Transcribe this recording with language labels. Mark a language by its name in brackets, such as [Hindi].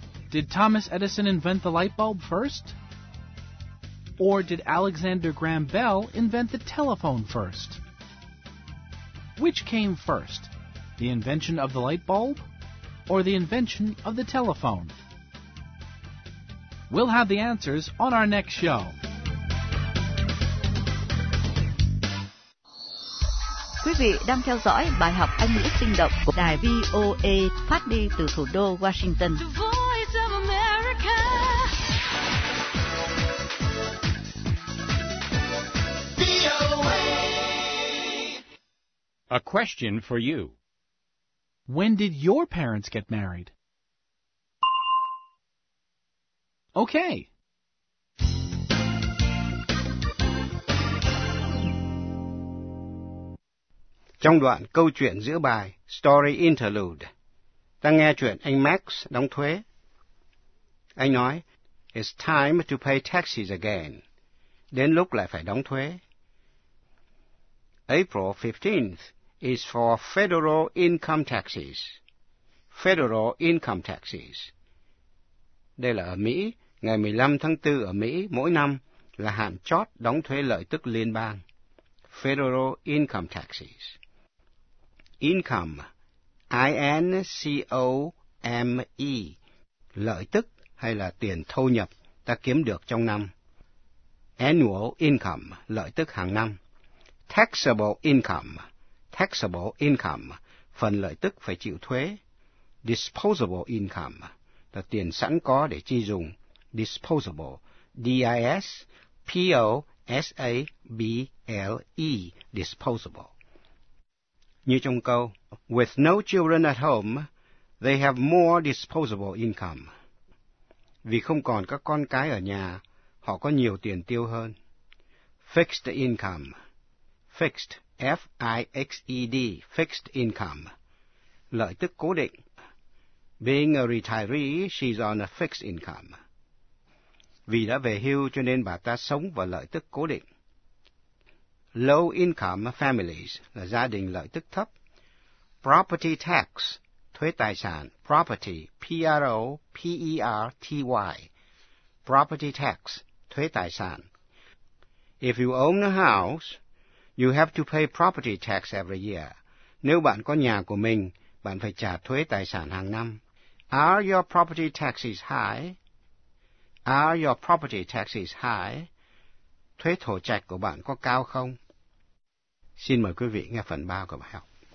[English] Did Thomas Edison invent the light bulb first? Or did Alexander Graham Bell invent the telephone first? Which came first, the invention of the light bulb or the invention of the telephone? We'll have the answers on our next show. [Vietnamese] Quý vị đang theo dõi bài học Anh ngữ sinh động của đài VOA phát đi từ thủ đô Washington. [English] A question for you. When did your parents get married? Okay. [Vietnamese] Trong đoạn câu chuyện giữa bài Story Interlude, ta nghe chuyện anh Max đóng thuế. Anh nói, [English] "It's time to pay taxes again." [Vietnamese] Đến lúc lại phải đóng thuế. [English] April 15th. Is for federal income taxes. Federal income taxes. [Vietnamese] Đây là ở Mỹ, ngày 15 tháng 4 ở Mỹ mỗi năm là hạn chót đóng thuế lợi tức liên bang. [English] Federal income taxes. Income, I-N-C-O-M-E, [Vietnamese] lợi tức hay là tiền thu nhập ta kiếm được trong năm. [English] Annual income, [Vietnamese] lợi tức hàng năm. [English] Taxable income. Taxable income, [Vietnamese] phần lợi tức phải chịu thuế. [English] Disposable income, [Vietnamese] là tiền sẵn có để chi dùng. [English] Disposable, D-I-S-P-O-S-A-B-L-E, disposable. [Vietnamese] Như trong câu, [English] with no children at home, they have more disposable income. [Vietnamese] Vì không còn các con cái ở nhà, họ có nhiều tiền tiêu hơn. [English] Fixed income, fixed. F-I-X-E-D, fixed income, [Vietnamese] lợi tức cố định. [English] Being a retiree, she's on a fixed income. [Vietnamese] Vì đã về hưu cho nên bà ta sống vào lợi tức cố định. [English] Low income families, [Vietnamese] là gia đình lợi tức thấp. [English] Property tax, [Vietnamese] thuế tài sản, [English] property, P-R-O-P-E-R-T-Y, property tax, thuế tài sản. If you own a house, you have to pay property tax every year. [Vietnamese] Nếu bạn có nhà của mình, bạn phải trả thuế tài sản hàng năm. [English] Are your property taxes high? Are your property taxes high? [Vietnamese] Thuế thổ trạch của bạn có cao không? Xin mời quý vị nghe phần 3 của bài học.